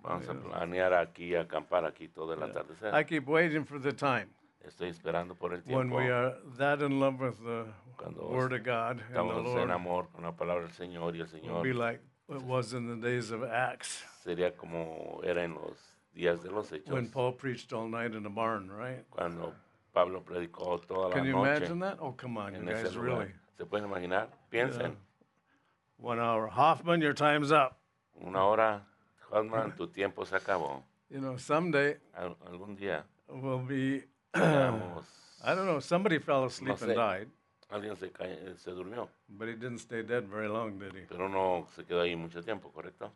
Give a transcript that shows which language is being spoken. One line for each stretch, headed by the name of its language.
Spanish: Vamos a planear aquí, acampar aquí todo el atardecer.
English: I keep waiting for the time.
Spanish: Estoy esperando por el tiempo.
English: When we are that in love with the
Spanish: Cuando
English: word of God
Spanish: estamos
English: and the Lord,
Spanish: en amor con la palabra del Señor y el Señor,
English: we'll be like it was in the days of Acts.
Spanish: Sería como era en los días de los Hechos.
English: When Paul preached all night in a barn, right?
Spanish: Cuando Pablo predicó toda la noche.
English: Can you imagine that? Oh, come on, you guys, really.
Spanish: ¿Se pueden imaginar? Piensen.
English: Yeah. 1 hour. Hoffman, your time's up.
Spanish: Una hora. Hoffman, tu tiempo se acabó.
English: You know, someday.
Spanish: Algún día.
English: We'll be. I don't know. Somebody fell asleep
Spanish: no sé.
English: And died.
Spanish: Alguien se, se durmió.
English: But he didn't stay dead very long, did he?
Spanish: Pero no se quedó ahí mucho tiempo, ¿correcto?